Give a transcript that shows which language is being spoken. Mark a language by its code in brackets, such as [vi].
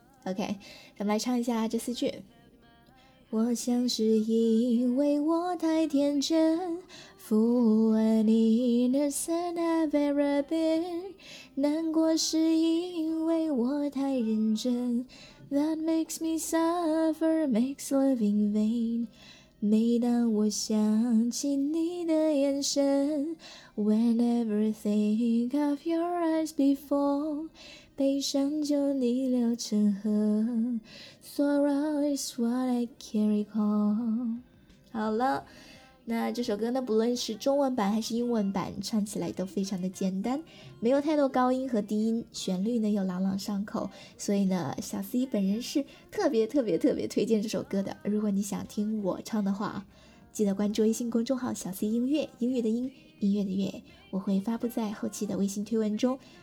[zh] OK， 咱们来唱一下这四句。我想是因为我太天真， [en] Fool and innocent I've ever been， [zh] 难过是因为我太认真。 [en] That makes me suffer makes love in vain。 [zh] 每当我想起你的眼神， [en] Whenever think of your eyes before， [zh] 悲伤就逆流成河， [en] Sorrow is what I can recall。 [zh] 好了，那这首歌呢不论是中文版还是英文版唱起来都非常的简单，没有太多高音和低音，旋律呢又朗朗上口，所以呢小 C 本人是特别特别特别推荐这首歌的。如果你想听我唱的话，记得关注微信公众号小 C 音乐，音乐的音，音乐的乐，我会发布在后期的微信推文中。